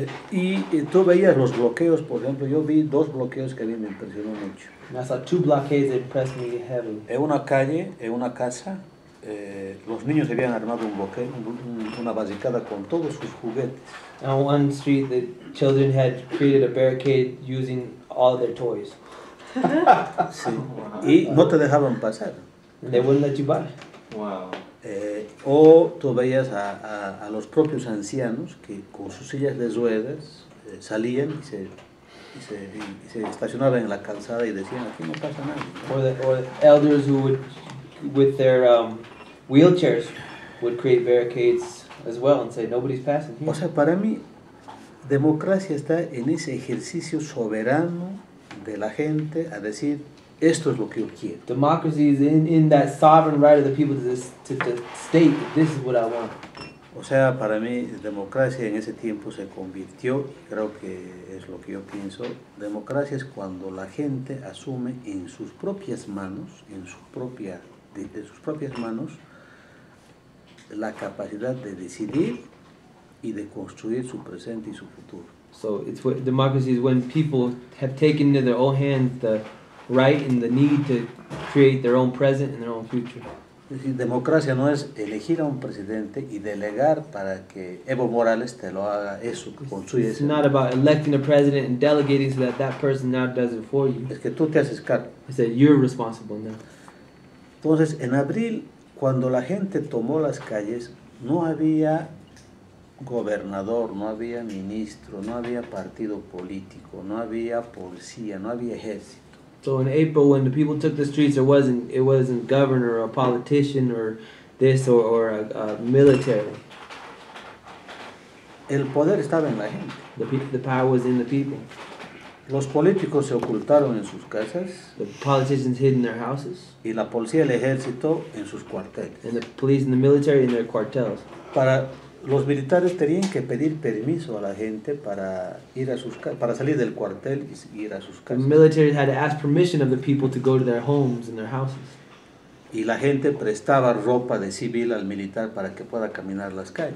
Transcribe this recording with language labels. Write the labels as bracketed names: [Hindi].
[Spanish] Y tú veías los bloqueos, por ejemplo, yo vi dos bloqueos que a mí me impresionó mucho. [English] And I saw two blockades that impressed me heavily. [Spanish] En una calle, en una casa, los niños habían armado un bloqueo, una barricada con todos sus juguetes. [English] On one street, the children had created a barricade using all their toys. [Spanish] Sí. Y no te dejaban pasar. [English] They wouldn't let you by. Wow. [Spanish] O tú veías a los propios ancianos que con sus sillas de ruedas salían y se estacionaban en la calzada y decían, aquí no pasa nada. [English] Or elders who would, with their wheelchairs, would create barricades as well and say nobody's passing here. [Spanish] O sea, para mí democracia está en ese ejercicio soberano de la gente a decir esto es lo que yo quiero. [English] Democracy is in that sovereign right of the people to state that this is what I want. [Spanish] O sea, para mí democracia en ese tiempo se convirtió, creo que es lo que yo pienso, democracia es cuando la gente asume en sus propias manos, en sus propias manos la capacidad de decidir y de construir su presente y su futuro. [English] So it's what democracy is when people have taken into their own hands the right and the need to create their own present and their own future. [Spanish] Es decir, democracia no es elegir a un presidente y delegar para que Evo Morales te lo haga eso, construye eso. [English] It's not about electing a president and delegating so that person now does it for you. [Spanish] Es que tú te haces cargo. [English] It's that you're responsible now. [Spanish] Entonces, en abril, cuando la gente tomó las calles, no había gobernador, no había ministro, no había partido político, no había policía, no había ejército. [English] So in April, when the people took the streets, it wasn't governor or a politician or this or a military. [Spanish] El poder estaba en la gente. [English] The power was in the people. [Spanish] Los políticos se ocultaron en sus casas. [English] The politicians hid in their houses. [Spanish] Y la policía y el ejército en sus cuarteles. [English] And the police and the military in their cuartels. [Spanish] Para los militares tenían que pedir permiso a la gente para ir a sus para salir del cuartel y ir a sus casas. [English] The military had to ask permission of the people to go to their homes and their houses. [Spanish] Y la gente prestaba ropa de civil al militar para que pueda caminar las calles.